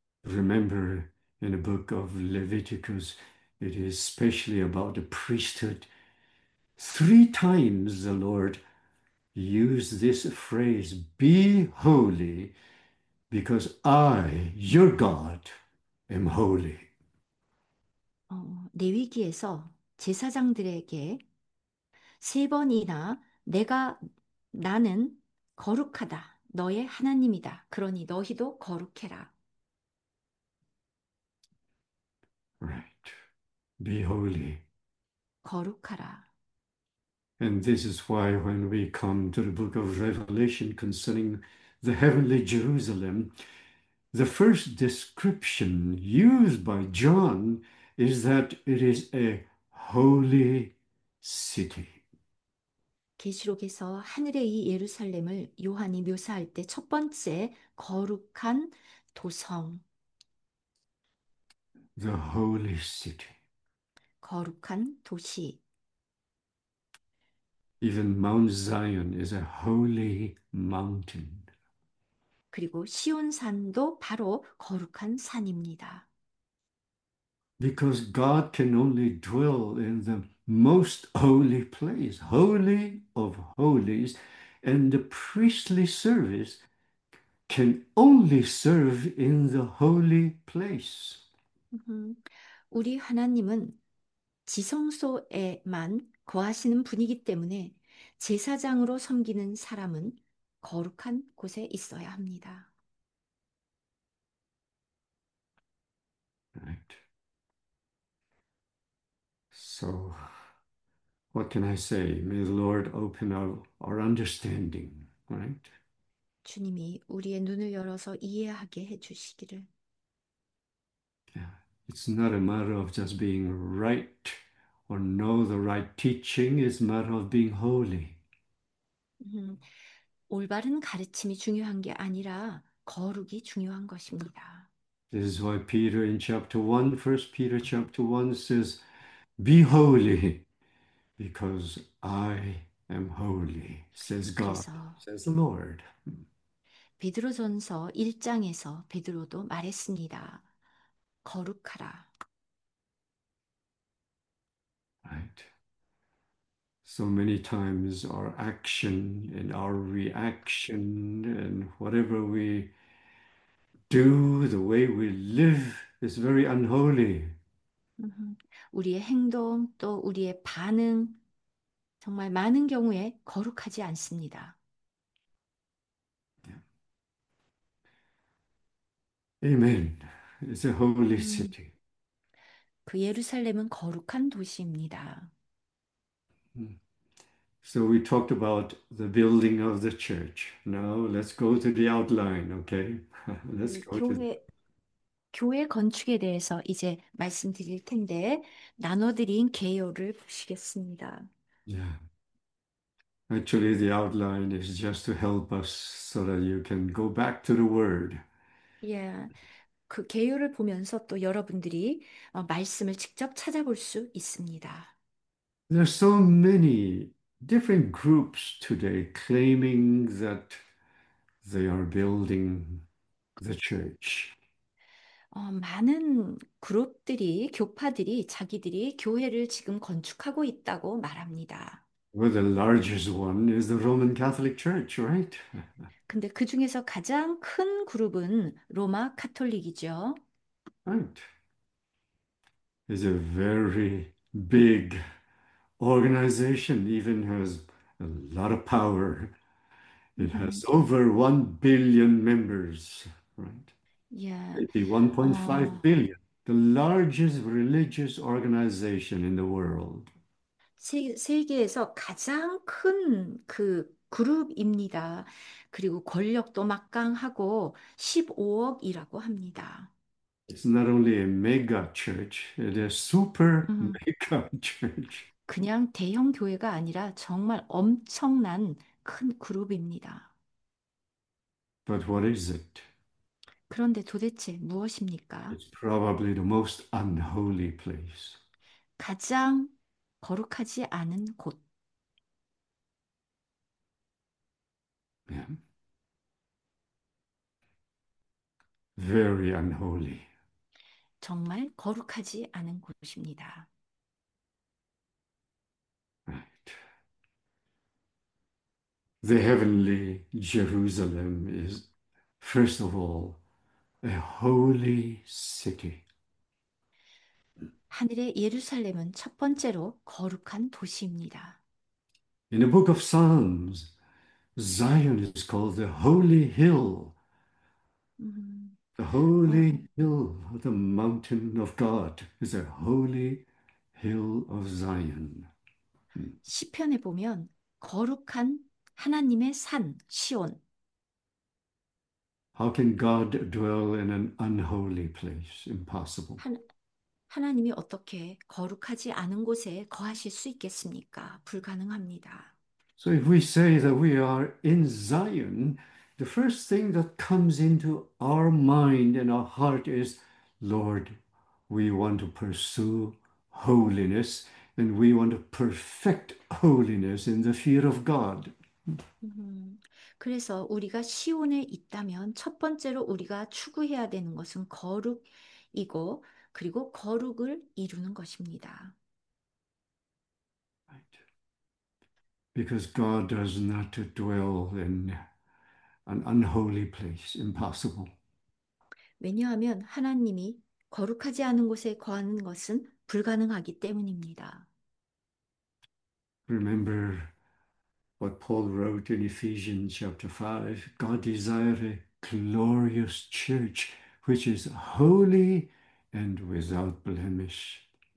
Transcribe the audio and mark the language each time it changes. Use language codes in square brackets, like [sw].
[en] Remember, in the book of Leviticus, it is especially about the priesthood. Three times the Lord used this phrase, "Be holy, because I, your God, am holy." [ko] 레위기에서 제사장들에게 세 번이나 나는 거룩하다. 너의 하나님이다. 그러니 너희도 거룩해라. [en] Be holy. [ko] 거룩하라. [en] And this is why, when we come to the book of Revelation concerning the heavenly Jerusalem, the first description used by John is that it is a holy city. [ko] 계시록에서 하늘의 이 예루살렘을 요한이 묘사할 때첫 번째 거룩한 도성, [en] The holy city. [ko] 거룩한 도시. [en] Even Mount Zion is a holy mountain. [ko] 그리고 시온산도 바로 거룩한 산입니다. [en] Because God can only dwell in the most holy place, holy of holies, and the priestly service can only serve in the holy place. [ko] 우리 하나님은 지성소에만 거하시는 분이기 때문에 제사장으로 섬기는 사람은 거룩한 곳에 있어야 합니다. [en] Right. So, what can I say? May the Lord open our understanding, right? [ko] 주님이 우리의 눈을 열어서 이해하게 해주시기를. [en] It's not a matter of just being right or know the right teaching, it's a matter of being holy. [ko] 올바른 가르침이 중요한 게 아니라 거룩이 중요한 것입니다. [en] This is why Peter in chapter 1, 1 Peter chapter 1 says, Be holy, because I am holy, says God, [ko] 그래서 [en] says the Lord. [ko] 베드로전서 1장에서 베드로도 말했습니다. 거룩하라. [en] So many times our action and our reaction and whatever we do, the way we live is very unholy. [ko] 우리의 행동 또 우리의 반응 정말 많은 경우에 거룩하지 않습니다. [en] Amen. It's a holy city. [ko] 그 예루살렘은 거룩한 도시입니다. [en] So we talked about the building of the church. Now let's go to the outline, okay? Let's go to the... [ko] 교회 건축에 대해서 이제 말씀드릴 텐데, 나눠드린 개요를 보시겠습니다. [en] Actually, the outline is just to help us so that you can go back to the word. [ko] 그 개요를 보면서 또 여러분들이 말씀을 직접 찾아볼 수 있습니다. [en] There are so many different groups today claiming that they are building the church. [ko] 많은 그룹들이, 교파들이 자기들이 교회를 지금 건축하고 있다고 말합니다. [en] Well, the largest one is the Roman Catholic Church, right? [ko] 근데 그 중에서 가장 큰 그룹은 로마 가톨릭이죠. [en] Right. It's a very big organization, even has a lot of power. It has over 1 billion members, right? Maybe 1.5 billion, the largest religious organization in the world. [ko] 세계에서 가장 큰그 그룹입니다. 그리고 권력도 막강하고 15억이라고 합니다. [en] It's not only a mega church, it is a super mega church. [ko] 그냥 대형 교회가 아니라 정말 엄청난 큰 그룹입니다. [en] But what is it? [ko] 그런데 도대체 무엇입니까? [en] It's probably the most unholy place. [ko] 가장 거룩하지 않은 곳. [en] Yeah. Very unholy. [ko] 정말 거룩하지 않은 곳입니다. [en] The heavenly Jerusalem is First of all, a holy city. [ko] 하늘의 예루살렘은 첫 번째로 거룩한 도시입니다. [en] In the book of Psalms, Zion is called the holy hill, the holy hill of the mountain of God is a holy hill of Zion. [ko] 시편에 보면 거룩한 하나님의 산, 시온. [en] How can God dwell in an unholy place? Impossible. [ko] 하나님이 어떻게 거룩하지 않은 곳에 거하실 수 있겠습니까? 불가능합니다. [en] So if we say that we are in Zion, the first thing that comes into our mind and our heart is, Lord, we want to pursue holiness and we want to perfect holiness in the fear of God. [ko] 그래서 우리가 시온에 있다면 첫 번째로 우리가 추구해야 되는 것은 거룩이고, 그리고 거룩을 이루는 것입니다. [en] Because God does not dwell in an unholy place, impossible. [ko] 왜냐하면 하나님이 거룩하지 않은 곳에 거하는 것은 불가능하기 때문입니다. [en] Remember what Paul wrote in Ephesians chapter 5. God desires a glorious church which is holy and without blemish.